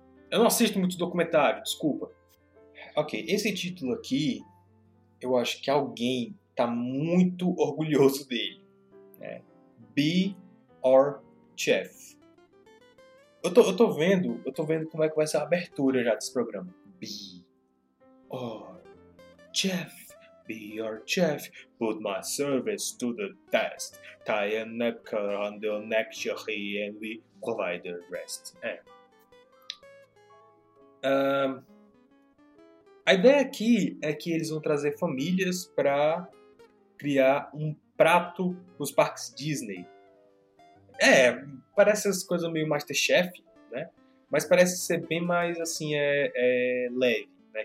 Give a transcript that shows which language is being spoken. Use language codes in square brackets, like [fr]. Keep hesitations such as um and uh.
[pt] Eu não assisto muito documentários desculpa. Ok, esse título aqui, eu acho que alguém tá muito orgulhoso dele. Né? Be or Chef. Eu tô, eu tô vendo, eu tô vendo como é que vai ser a abertura já desse programa. [en] Be or oh, Chef be your chef, put my service to the test, tie a napkin on your neck, shahi, and we provide the rest. [pt] É. Um, a ideia aqui é que eles vão trazer famílias para criar um prato nos parques Disney. É, parece as coisas meio Masterchef, né? Mas parece ser bem mais assim, é, é leve. Né?